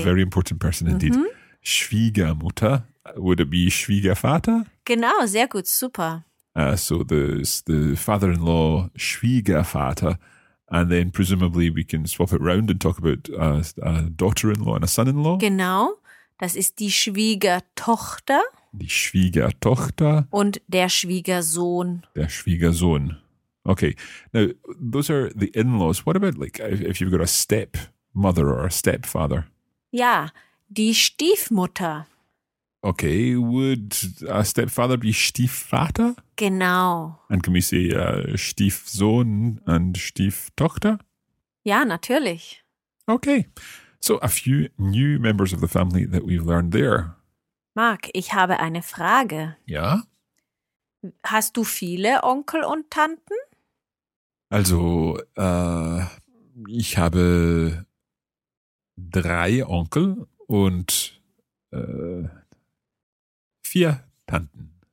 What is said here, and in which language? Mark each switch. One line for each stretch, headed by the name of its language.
English: A very important person indeed. Mm-hmm. Schwiegermutter. Would it be Schwiegervater?
German: Genau, sehr gut, super.
English: So the father-in-law, Schwiegervater, and then presumably we can swap it round and talk about a daughter-in-law and a son-in-law.
German: Genau, das ist die Schwiegertochter. Die Schwiegertochter. Und der Schwiegersohn. Der Schwiegersohn.
English: Okay, now those are the in-laws. What about like if you've got a stepmother or a stepfather?
German: Ja, die Stiefmutter.
English: Okay, would a stepfather be Stiefvater?
German: Genau.
English: And can we say Stiefsohn and Stieftochter?
German: Ja, natürlich.
English: Okay, so a few new members of the family that we've learned there.
German: Marc, ich habe eine Frage. Ja? Hast du viele Onkel und Tanten? Also, ich habe drei Onkel und vier Tanten.